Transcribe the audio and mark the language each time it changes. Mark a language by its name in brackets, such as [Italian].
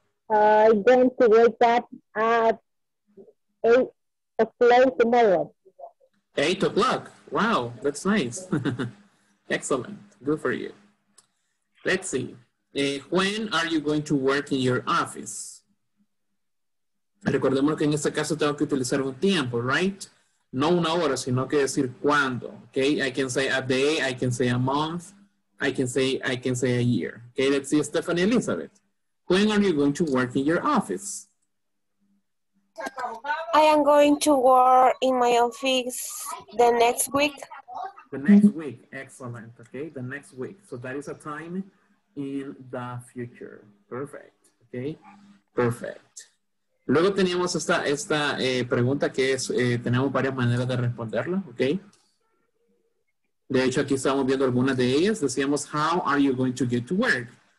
[English] I'm going to wake up at 8 o'clock tomorrow. 8 o'clock. Wow, that's nice. Excellent. Good for you. Let's see. When are you going to work in your office? [Spanish] Recordemos que en este caso tengo que utilizar un tiempo, [English] right? [Spanish] No una hora, sino que decir cuándo. Okay. [English] I can say a day. I can say a month. I can say a year. Okay. Let's see, Stephanie Elizabeth. When are you going to work in your office? I am going to work in my office the next week. The next week. Excellent. Okay. The next week. So that is a time in the future. Perfect. Okay. Perfect. [Spanish] Luego teníamos esta pregunta que es, tenemos varias maneras de responderla. Okay. De hecho, aquí estamos viendo algunas de ellas. Decíamos, [English] how are you going to get to work?